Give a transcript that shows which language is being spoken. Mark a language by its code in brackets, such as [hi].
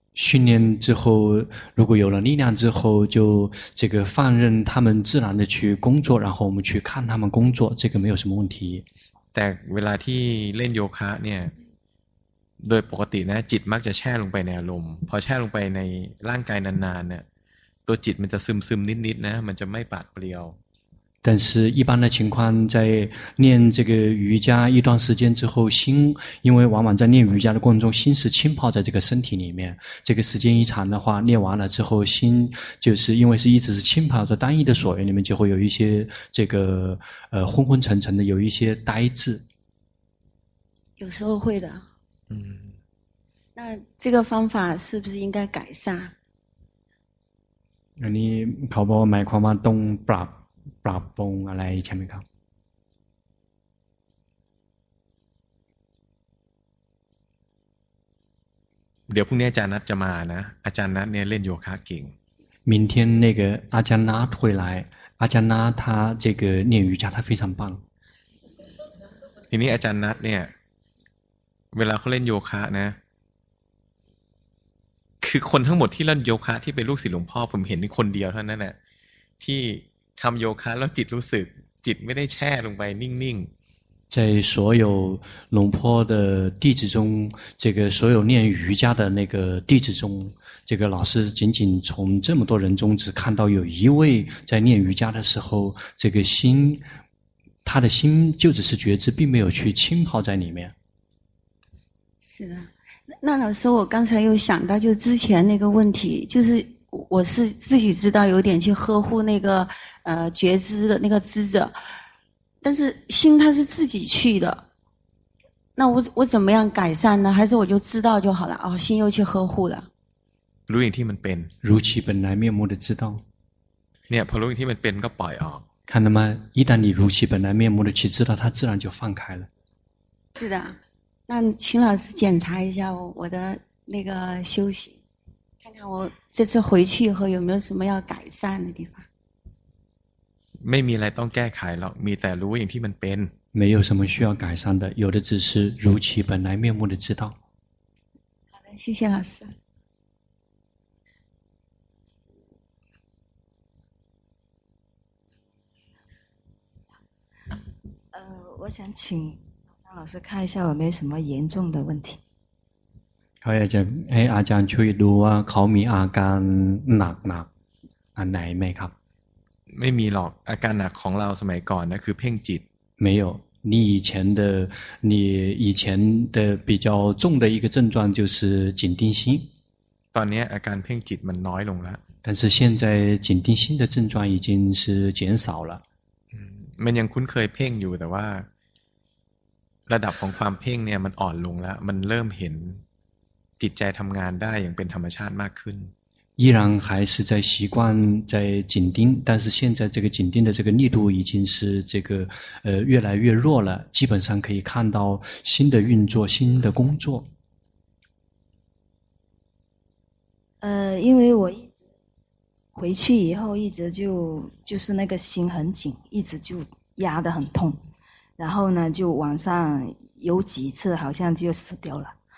[zh] 训练之后，如果有了力量之后，就这个放任他们自然的去工作，然后我们去看他们工作，这个没有什么问题。 [th] แต่เวลาที่เล่นโยคะเนี่ยโดยปกตินะจิตมักจะแช่ลงไปในอารมณ์พอแช่ลงไปในร่างกายนานๆเนี่ยตัวจิตมันจะซึมนิดๆนะมันจะไม่ปาดเปรียว [zh] 但是一般的情况在练这个瑜伽一段时间之后心因为往往在练瑜伽的过程中心是浸泡在这个身体里面这个时间一长的话练完了之后心就是因为是一直是浸泡在单一的所缘里面就会有一些这个昏昏沉沉的有一些呆滞有时候会的那这个方法是不是应该改善那你考不买框吗动不了 [th] ปรับปรุงอะไรใช่ไหมครับ เดี๋ยวพรุ่งนี้อาจารย์นัทจะมานะอาจารย์นัทเนี่ยเล่นโยคะเก่ง [zh] 明天那个อาจารย์นัท会来อาจารย์นัท他这个练瑜伽他非常棒 [th] ทีนี้อาจารย์นัทเนี่ยเวลาเขาเล่นโยคะนะคือคนทั้งหมดที่เล่นโยคะที่เป็นลูกศิษย์หลวงพ่อผมเห็นคนเดียวเท่านั้นแหละที่ทำโยคะแล้วจิตรู้สึกจิตไม่ได้แช่ลงไปนิ่งๆ [zh] 在所有龙坡的弟子中这个所有练瑜伽的那个弟子中这个老师仅仅从这么多人中只看到有一位在练瑜伽的时候这个心他的心就只是觉知并没有去浸泡在里面是的那老师我刚才又想到就之前那个问题就是我是自己知道有点去呵护那个觉知的那个知者但是心它是自己去的那我怎么样改善呢还是我就知道就好了、哦、心又去呵护了如影 [th] ที่มันเป็น [zh] 如其本来面目的知道 [th] เนี่ยพอรู้อย่างที่มันเป็นก็ปล่อยออก [zh] 看到吗一旦你如其本来面目的去知道它自然就放开了是的那请老师检查一下我的那个修行看看我这次回去以后有没有什么要改善的地方 [th] ไม่มีอะไรต้องแก้ไขหรอกมีแต่รู้อย่างที่มันเป็น [zh] 没有什么需要改善的有的只是如其本来面目的知道好的谢谢老师我想请老师看一下有没有什么严重的问题 [th] เขาอยากจะให้อาจารย์ช่วยดูว่าเขามีอาการหนักๆอันไหนไหมครับ ไม่มีหรอกอาการหนักของเราสมัยก่อนนะคือเพ่งจิต [zh] 没有你以前的你以前的比较重的一个症状就是紧盯心 [th] ตอนนี้อาการเพ่งจิตมันน้อยลงแล้ว [zh] 但是现在紧盯心的症状已经是减少了 [th] มันยังคุ้นเคยเพ่งอยู่แต่ว่าระดับของความเพ่งเนี่ยมันอ่อนลงแล้วมันเริ่มเห็นจิตใจทำงานได้อย่างเป็นธรรมชาติมากขึ้น [zh] 依然还是在习惯在紧盯但是现在这个紧盯的这个力度已经是这个越来越弱了基本上可以看到新的运作新的工作因为我一直回去以后一直就是那个心很紧一直就压得很痛然后呢就晚上有几次好像就死掉了